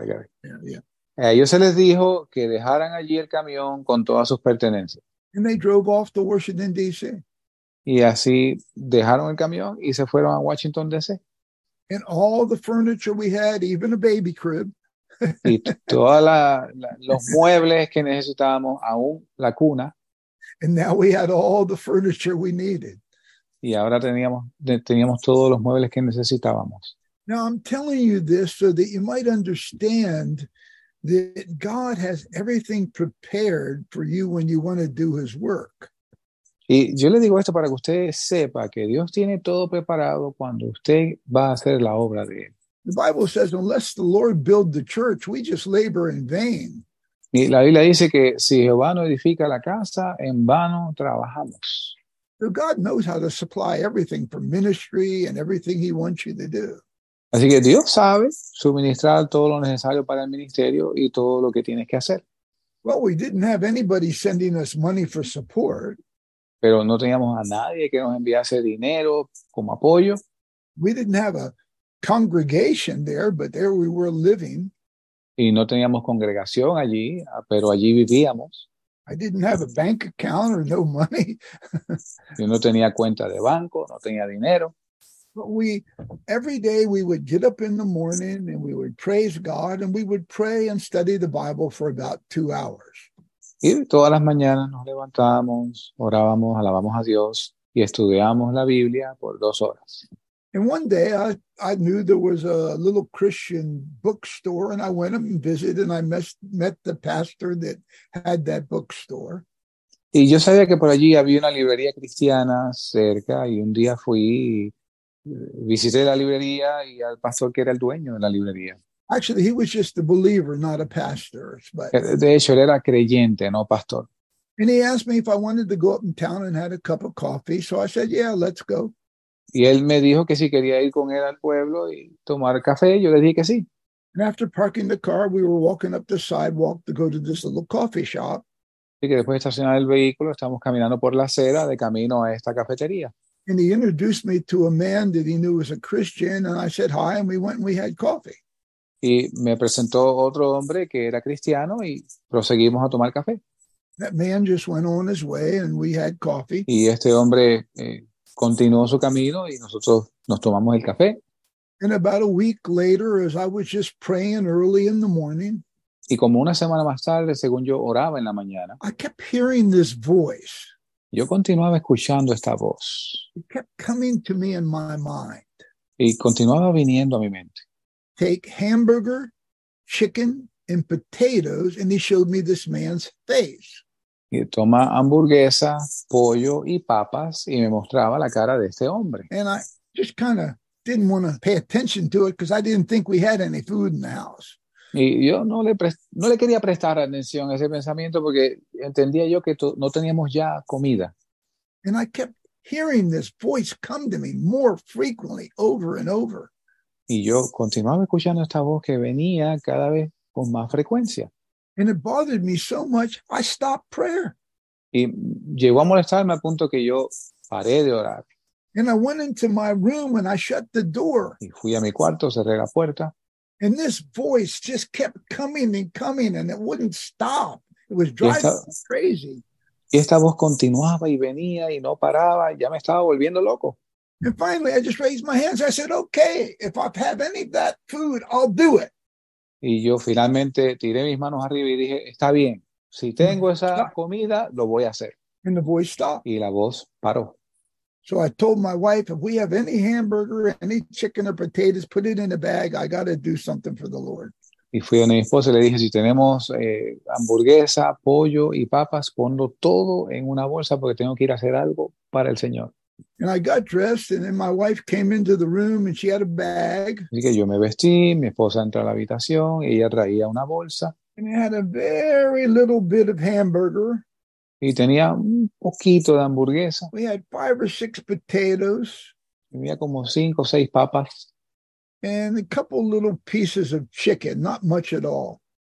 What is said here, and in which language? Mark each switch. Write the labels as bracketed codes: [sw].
[en] Got it. Yeah. [es] Ellos se les dijo que dejaran allí el camión con todas sus pertenencias. [en] And they drove off to Washington, D.C. [es] Y así dejaron el camión y se fueron a Washington, D.C. [en] And all the furniture we had, even a baby crib. [es] Y todos los muebles que necesitábamos, aún la cuna. [en] And now we had all the furniture we needed. [es] Y ahora teníamos todos los muebles que necesitábamos. [en] Now I'm telling you this so that you might understand that God has everything prepared for you when you want to do his work. [es] Y yo le digo esto para que usted sepa que Dios tiene todo preparado cuando usted va a hacer la obra de él. [en] The Bible says, unless the Lord build the church, we just labor in vain. [es] Y la Biblia dice que si Jehová no edifica la casa, en vano trabajamos. [en] So God knows how to supply everything for ministry and everything he wants you to do. [es] Así que Dios sabe suministrar todo lo necesario para el ministerio y todo lo que tienes que hacer. [en] Well, we didn't have anybody sending us money for support. [es] Pero no teníamos a nadie que nos enviase dinero como apoyo. [en] We didn't have a congregation there, but there we were living. [es] Y no teníamos congregación allí, pero allí vivíamos. [en] I didn't have a bank account or no money. [es] Yo no tenía cuenta de banco, no tenía dinero. [en] But we, every day we would get up in the morning and we would praise God and we would pray and study the Bible for about 2 hours. [es] Y todas las mañanas nos levantábamos, orábamos, alabamos a Dios y estudiamos la Biblia por 2 horas. [en] And one day I knew there was a little Christian bookstore and I went up and visited and I met the pastor that had that bookstore. [es] Y yo sabía que por allí había una librería cristiana cerca y un día fui y visité la librería y al pastor que era el dueño de la librería. [en] Actually, he was just a believer, not a pastor. But... [es] De hecho, él era creyente, no pastor. [en] And he asked me if I wanted to go up in town and had a cup of coffee. So I said, yeah, let's go. [es] Y él me dijo que si quería ir con él al pueblo y tomar café, yo le dije que sí. [en] And after parking the car, we were walking up the sidewalk to go to this little coffee shop. [es] Y que después de estacionar el vehículo, estamos caminando por la acera de camino a esta cafetería. [en] And he introduced me to a man that he knew was a Christian, and I said hi, and we went and we had coffee. [es] Y me presentó otro hombre que era cristiano y proseguimos a tomar café. [en] That man just went on his way and we had coffee. [es] Y este hombre continuó su camino y nosotros nos tomamos el café. [en] And about a week later, as I was just praying early in the morning, [es] y como una semana más tarde, según yo oraba en la mañana, [en] I kept hearing this voice. [es] Yo continuaba escuchando esta voz. [en] It kept coming to me in my mind. [es] Y continuaba viniendo a mi mente. [en] Take hamburger, chicken, and potatoes, and he showed me this man's face. [es] Y toma hamburguesa, pollo y papas, y me mostraba la cara de este hombre. [en] And I just kind of didn't want to pay attention to it because I didn't think we had any food in the house. [es] Y yo no le quería prestar atención a ese pensamiento porque entendía yo que no teníamos ya comida. [en] And I kept hearing this voice come to me more frequently, over and over. [es] Y yo continuaba escuchando esta voz que venía cada vez con más frecuencia. [en] And it bothered me so much, I stopped prayer. [es] Y llegó a molestarme al punto que yo paré de orar. [en] And I went into my room and I shut the door. [es] Y fui a mi cuarto, cerré la puerta. [en] And this voice just kept coming and coming and it wouldn't stop. It was driving me crazy. [es] Y esta voz continuaba y venía y no paraba. Ya me estaba volviendo loco. [en] And finally, I just raised my hands. I said, okay, if I have any of that food, I'll do it. [es] Y yo finalmente tiré mis manos arriba y dije, está bien. Si tengo esa comida, lo voy a hacer. [en] And the voice stopped. [es] Y la voz paró. [en] So I told my wife, if we have any hamburger, any chicken or potatoes, put it in a bag. I got to do something for the Lord. [es] Y fui a mi esposa y le dije, si tenemos hamburguesa, pollo y papas, ponlo todo en una bolsa porque tengo que ir a hacer algo para el Señor. [en] And I got dressed and then my wife came into the room and she had a bag. [es] Así que yo me vestí, mi esposa entró a la habitación y ella traía una bolsa. [en] And it had a very little bit of hamburger. [es] Y tenía un poquito de hamburguesa. [en] We had 5 or 6 potatoes. [es] Tenía como 5 o 6 papas. [en] And a couple little pieces of chicken, not much at all.